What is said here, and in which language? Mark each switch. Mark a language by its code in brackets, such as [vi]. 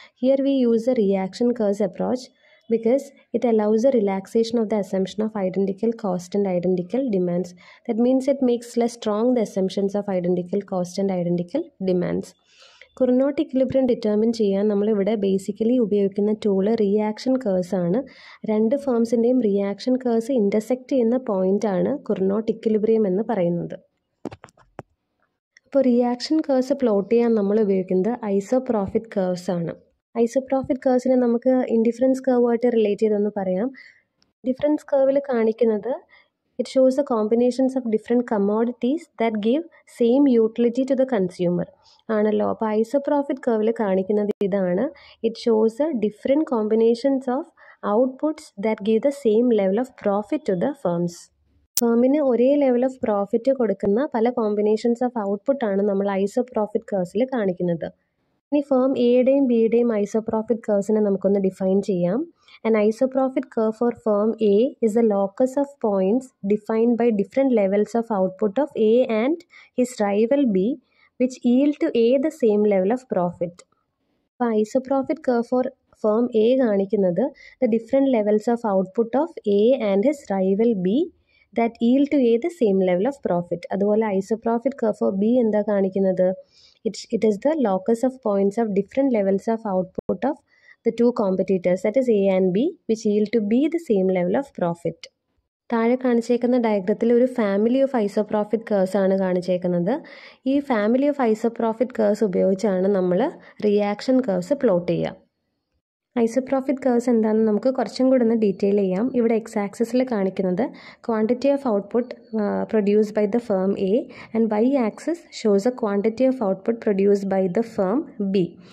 [en] Here we use a reaction curves approach because it allows a relaxation of the assumption of identical cost and identical demands. That means it makes less strong the assumptions of identical cost and identical demands. [ml] Cournot equilibrium determine ചെയ്യാൻ നമ്മൾ ഇവിടെ basically ഉപയോഗിക്കുന്ന tool reaction curse ആണ്. രണ്ട് ഫേംസിൻ്റെയും reaction curse intersect ചെയ്യുന്ന point ആണ് കുർണോട്ട് equilibrium എന്ന് പറയുന്നത്. അപ്പോൾ റിയാക്ഷൻ കേഴ്സ് പ്ലോട്ട് ചെയ്യാൻ നമ്മൾ ഉപയോഗിക്കുന്നത് ഐസോപ്രോഫിറ്റ് കേഴ്സ് ആണ്. ഐസോപ്രോഫിറ്റ് കേഴ്സിനെ നമുക്ക് ഇൻഡിഫറൻസ് കേർവായിട്ട് റിലേറ്റ് ചെയ്തെന്ന് പറയാം. ഡിഫറൻസ് കേർവിൽ കാണിക്കുന്നത് [en] It shows a combinations of different commodities that give same utility to the consumer ആണല്ലോ. [ml] അപ്പോൾ ഐസോപ്രോഫിറ്റ് കർവിൽ കാണിക്കുന്നത് ഇതാണ്. [en] It shows a different combinations of outputs that give the same level of profit to the firms. [ml] ഫേമിന് ഒരേ level of profit കൊടുക്കുന്ന പല combinations of output ആണ് നമ്മൾ ഐസോപ്രോഫിറ്റ് കർവിൽ കാണിക്കുന്നത്. ഇനി ഫേം എയുടെയും ബിയുടെയും ഐസോപ്രോഫിറ്റ് കേഴ്സിനെ നമുക്കൊന്ന് ഡിഫൈൻ ചെയ്യാം. [en] An isoprofit curve for firm A is a locus of points defined by different levels of output of A and his rival B, which yield to A the same level of profit. For isoprofit curve for firm A കാണിക്കുന്നത് the different levels of output of A and his rival B that yield to A the same level of profit. [ml] അതുപോലെ isoprofit curve for B എന്താ കാണിക്കുന്നത്? [en] It is the locus of points of different levels of output of the two competitors, that is A and B, which yield to B the same level of profit. [ml] താഴെ കാണിച്ചേക്കുന്ന ഡയഗ്രത്തിൽ ഒരു family of ഐസോപ്രോഫിറ്റ് curse ആണ് കാണിച്ചേക്കുന്നത്. ഈ family of ഐസോപ്രോഫിറ്റ് curse ഉപയോഗിച്ചാണ് നമ്മൾ reaction curse plot ചെയ്യുക. ഐസോപ്രോഫിറ്റ് curse എന്താണെന്ന് നമുക്ക് കുറച്ചും കൂടെ ഒന്ന് ഡീറ്റെയിൽ ചെയ്യാം. ഇവിടെ എക്സ് ആക്സിസിൽ കാണിക്കുന്നത് [en] Quantity of output produce by the firm A, and Y axis shows a quantity of output produce by the firm B.